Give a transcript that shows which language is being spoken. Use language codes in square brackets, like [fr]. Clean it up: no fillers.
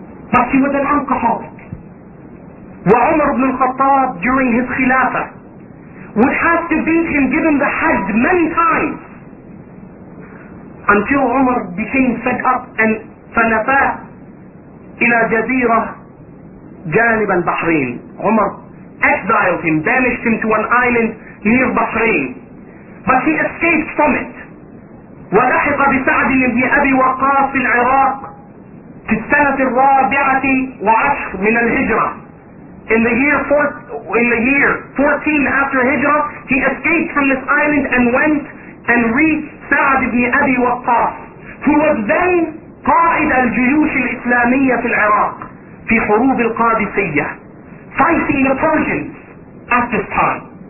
[en] But he was an alcoholic. وعمر بن الخطاب during his khilafah would have to beat him, given the hajj, many times until Umar became fed up and فنفاه إلى جزيرة جانب البحرين. Umar exiled him, banished him to an island near Bahrain, but he escaped from it. [ar] ولحق بسعد بن أبي وقاص في العراق في السنة الرابعة وعشر من الهجرة. [en] In the year 14 after Hijrah, he escaped from this island and went and reached Sa'd ibn Abi Waqqas, who was then Qa'id al-Juyush al-Islamiyya fi al-Iraq, fi Hurub al-Qadisiyya, fighting the Persians at this time.